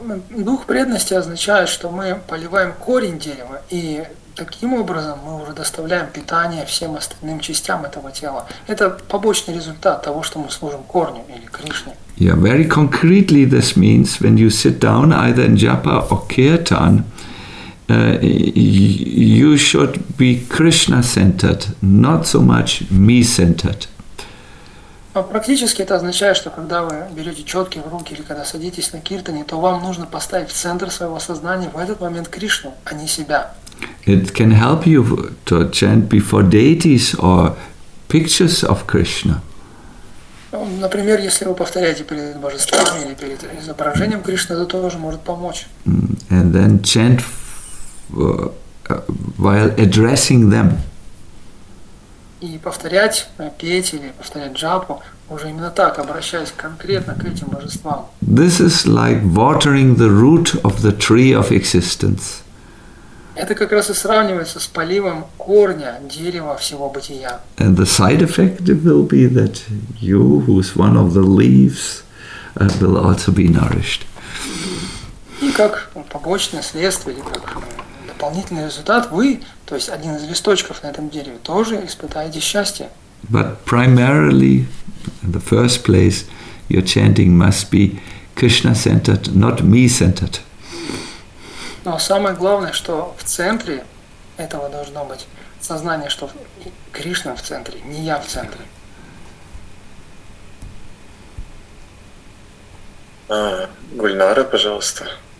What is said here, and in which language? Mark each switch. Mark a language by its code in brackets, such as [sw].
[ru] Дух преданности означает, что мы поливаем корень дерева, и таким образом мы уже доставляем питание всем остальным частям этого тела. Это побочный результат того, что мы служим корню или Кришне. [en] Yeah, very concretely this means when you sit down either in japa or kirtan, you should be Krishna-centered, not so much me-centered. [ru] Практически это означает, что когда вы берете четки в руки или когда садитесь на киртане, то вам нужно поставить в центр своего сознания в этот момент Кришну, а не себя. [en] It can help you to chant before deities or pictures of Krishna. [ru] Например, если вы повторяете перед божествами или перед изображением Кришны, это тоже может помочь. [en] And then chant while addressing them. [ru] И повторять, петь или повторять джапу, уже именно так, обращаясь конкретно к этим божествам. [en] This is like watering the root of the tree of existence. [ru] Это как раз и сравнивается с поливом корня дерева всего бытия. [en] And the side effect will be that you, who is one of the leaves, will also be nourished. [ru] И как побочное следствие, или как дополнительный результат, вы, то есть один из листочков на этом дереве, тоже испытаете счастье. [en] But primarily, in the first place, your chanting must be Krishna-centered, not me-centered. [ru] Но самое главное, что в центре этого должно быть сознание, что Кришна в центре, не я в центре. Гульнара, пожалуйста.